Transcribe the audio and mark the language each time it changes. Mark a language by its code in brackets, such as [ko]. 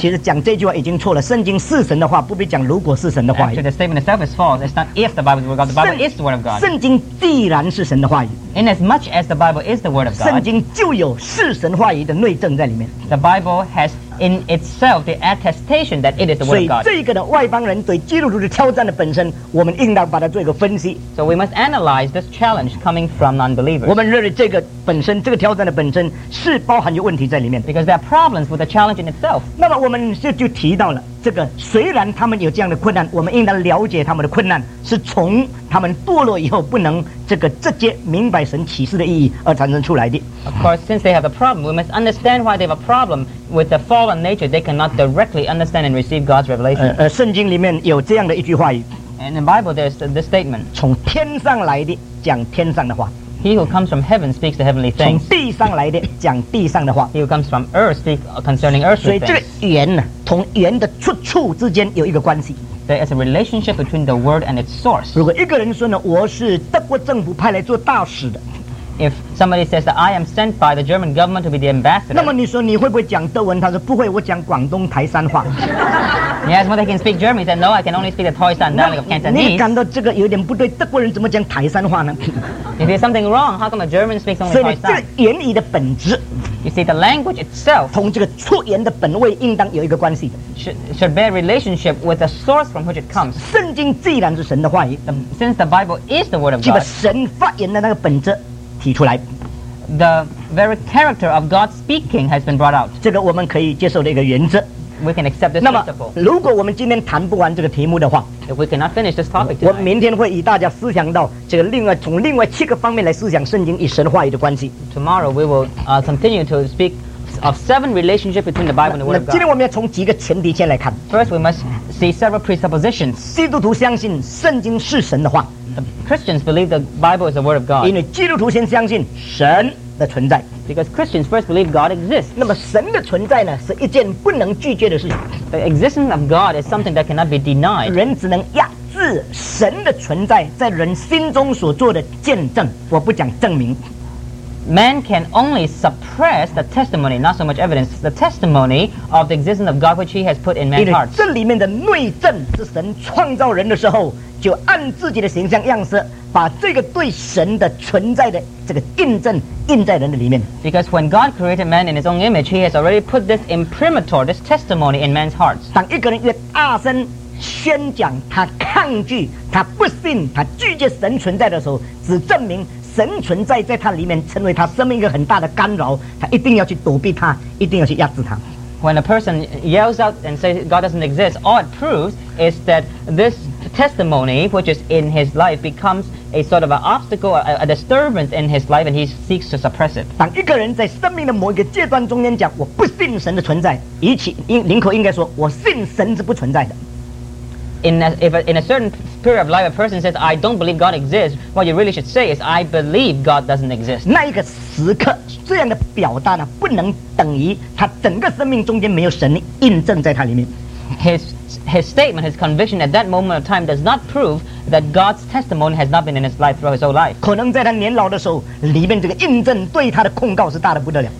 [zh] 其实讲这句话已经错了。圣经是神的话，不必讲如果是神的话语。 [en] Actually, the statement itself is false. It's not if the Bible is the word of God. The Bible is the word of God. [zh] 圣经既然是神的话语， [en] in as much as the Bible is the word of God, [zh] 圣经就有是神话语的内证在里面。 [en] The Bible has in itself the attestation that it is the word of God. [zh] 所以这个呢，外邦人对基督徒的挑战的本身，我们应当把它做一个分析。 [en] So we must analyze this challenge coming from non-believers. [zh] 我们认为这个本身，这个挑战的本身是包含有问题在里面的。 [en] Because there are problems with the challenge in itself. [zh] 那么我们就提到了这个，虽然他们有这样的困难，我们应当了解他们的困难是从他们堕落以后不能这个直接明白神启示的意义而产生出来的。 [en] Of course, since they have a problem, we must understand why they have a problem with the fallen nature. They cannot directly understand and receive God's revelation. [zh] 圣经里面有这样的一句话语。 [en] And in the Bible, there's this statement. [zh] 从天上来的讲天上的话。 [en] He who comes from heaven speaks the heavenly things. [zh] 从地上来的讲地上的话。 [en] He who comes from earth speaks concerning earthly things. [zh] 所以这个言呢，从言的出处之间有一个关系。 [en] There is a relationship between the word and its source. [zh] 如果一个人说呢，我是德国政府派来做大使的。 [en] If somebody says that I am sent by the German government to be the ambassador, [zh] 那么你说你会不会讲德文？他说不会，我讲广东台山话。 [en] Yes, well, they can speak German. He said, no, I can only speak the Toisan dialect of Cantonese. [zh] 你感到这个有点不对，德国人怎么讲台山话呢？ [en] If there's something wrong, how come the German speaks only Toisan? [zh] 所以这个言语的本质， [en] you see, the language itself [zh] 同这个出言的本位应当有一个关系的。 [en] Should bear relationship with the source from which it comes. [zh] 圣经既然是神的话语， [en] since the Bible is the word of God, [zh] 就把神发言的那个本质提出来。 [en] The very character of God speaking has been brought out. [zh] 这个我们可以接受的一个原则。 [en] We can accept this principle. [zh] 那么如果我们今天谈不完这个题目的话， [en] if we cannot finish this topic tonight, [zh] 我明天会与大家思想到这个另外从另外七个方面来思想圣经与神话语的关系。 [en] Tomorrow we will continue to speak of seven relationships between the Bible and the Word of God. [zh] 今天我们要从几个前提先来看。 [en] First we must see several presuppositions. [zh] 基督徒相信圣经是神的话。 [en] Christians believe the Bible is the word of God. [zh] 因为基督徒先相信神的存在。 [en] Because Christians first believe God exists. [zh] 那么神的存在呢，是一件不能拒绝的事情。 [en] The existence of God is something that cannot be denied. [zh] 人只能压制神的存在在人心中所做的见证。我不讲证明。 [en] Man can only suppress the testimony, not so much evidence, the testimony of the existence of God which he has put in man's hearts. [zh] 这里面的内证是神创造人的时候就按自己的形象样式把这个对神的存在的这个印证印在人的里面。 [en] Because when God created man in his own image, he has already put this imprimatur, this testimony in man's hearts. [zh] 当一个人越大声宣讲他抗拒他不信他拒绝神存在的时候，只证明神存在在他里面成为他生命一个很大的干扰，他一定要去躲避他，一定要去压制他。 [en] When a person yells out and says God doesn't exist, all it proves is that this testimony, which is in his life, becomes a sort of an obstacle, a disturbance in his life, and he seeks to suppress it. [zh] 当一个人在生命的某一个阶段中间讲我不信神的存在，以其林口应该说我信神是不存在的。 [en] In a certain period of life, a person says, I don't believe God exists, what you really should say is, I believe God doesn't exist. [zh] 那一个时刻，这样的表达呢，不能等于他整个生命中间没有神印证在他里面。 [en] His statement, his conviction at that moment of time does not prove that God's testimony has not been in his life throughout his whole life. [zh] 可能在他年老的时候，里面这个印证对他的控告是大得不得了。